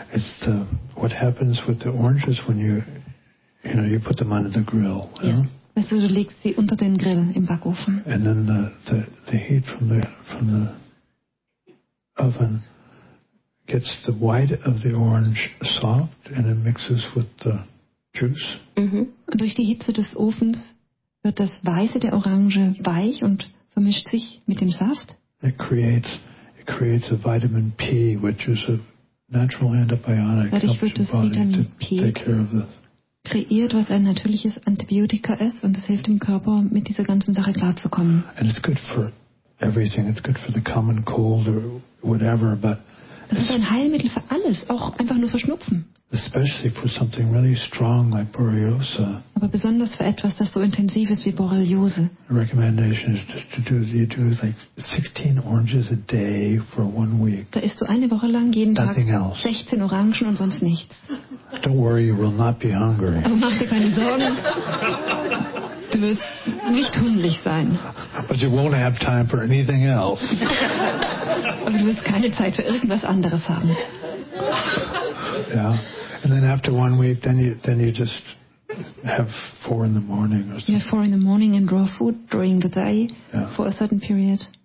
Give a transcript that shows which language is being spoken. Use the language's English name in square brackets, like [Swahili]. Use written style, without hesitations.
[English] It's the, what happens with the oranges when you put them under the grill. Yes. [German] Weißt du legst sie unter den Grill im Backofen. [English] And then the heat from the oven gets the white of the orange soft and it mixes with the juice. Mm-hmm. [German] Und durch die Hitze des Ofens wird das Weiße der Orange weich und vermischt sich mit dem Saft. [English] It creates a vitamin P, which is a natural antibiotic. [German] Dadurch wird das Vitamin P kreiert, was ein natürliches Antibiotika ist, und es hilft dem Körper, mit dieser ganzen Sache klarzukommen. [English] And it's good for everything. It's good for the common cold or whatever, but [German] das ist ein Heilmittel für alles, auch einfach nur für Schnupfen. [English] Especially for something really strong like Borreliosa. [German] Aber besonders für etwas, das so intensiv ist wie Borreliose. [English] The recommendation is just to do like 16 oranges a day for 1 week. [German] Da isst du eine Woche lang jeden Tag 16 Orangen und sonst nichts. [English] Don't worry, you will not be hungry. [German] Aber mach dir keine Sorgen. Du wirst nicht hungrig sein. [English] But you won't have time for anything else. [German] Aber du wirst keine Zeit für irgendwas anderes haben. [English] Yeah, and then after 1 week, then you just have 4 in the morning or something. Yeah, 4 in the morning and raw food during the day for a certain period.